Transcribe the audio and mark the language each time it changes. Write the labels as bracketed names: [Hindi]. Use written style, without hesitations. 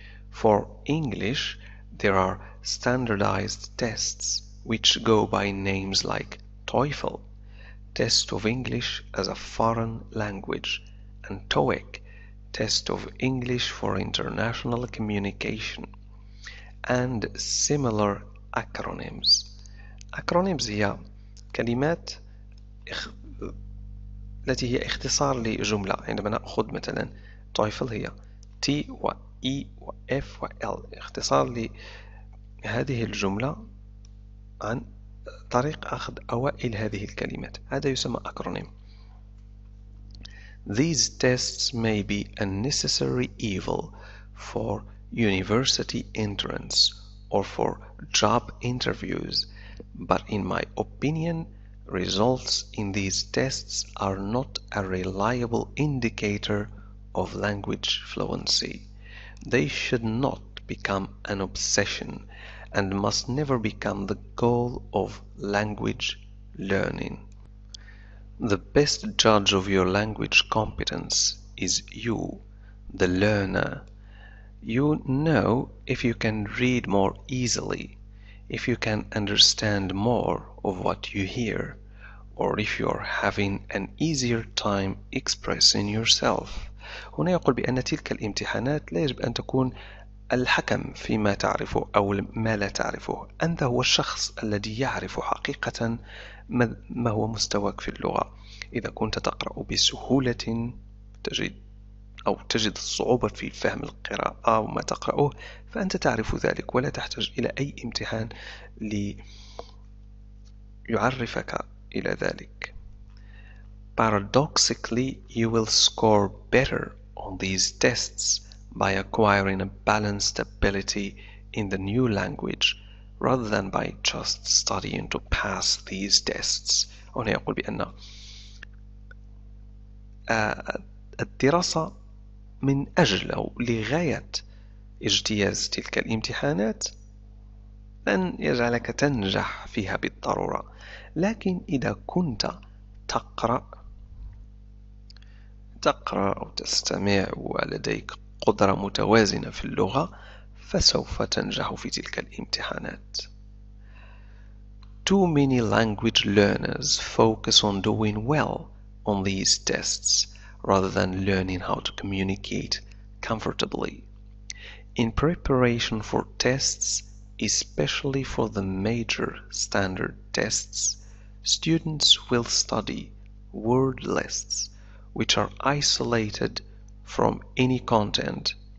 [English] For English, there are standardized tests which go by names like TOEFL, Test of English as a Foreign Language, and TOEIC, Test of English for International Communication, and similar acronyms. [Arabic] Acronyms هي كلمات التي هي اختصار لجملة. عندما نأخذ مثلا TOEFL هي T و E و F و L اختصار لهذه الجملة عن طريق أخذ أوائل هذه الكلمات، هذا يسمى أكرونيم. [English] These tests may be a necessary evil for university entrance or for job interviews, but in my opinion, results in these tests are not a reliable indicator of language fluency. They should not become an obsession and must never become the goal of language learning. The best judge of your language competence is you, the learner. You know if you can read more easily, if you can understand more of what you hear, or if you are having an easier time expressing yourself. [Arabic] هنا يقول بأن تلك الامتحانات لا يجب أن تكون الحكم فيما تعرفه أو ما لا تعرفه، أنت هو الشخص الذي يعرف حقيقة ما هو مستواك في اللغة. إذا كنت تقرأ بسهولة تجد الصعوبة في فهم القراءة وما تقرأه، فأنت تعرف ذلك ولا تحتاج إلى أي امتحان ليعرفك إلى ذلك. [English] Paradoxically, you will score better on these tests by acquiring a balanced ability in the new language rather than by just studying to pass these tests. [Arabic] هنا يقول بأن الدراسة من أجل أو لغاية اجتياز تلك الامتحانات لن يجعلك تنجح فيها بالضرورة، لكن إذا كنت تقرأ أو تستمع ولديك قدرة متوازنة في اللغة فسوف تنجح في تلك الامتحانات. [English] Too many language learners focus on doing well on these tests rather than learning how to communicate comfortably. In preparation for tests, especially for the major standard tests, students will study word lists which are isolated from any content.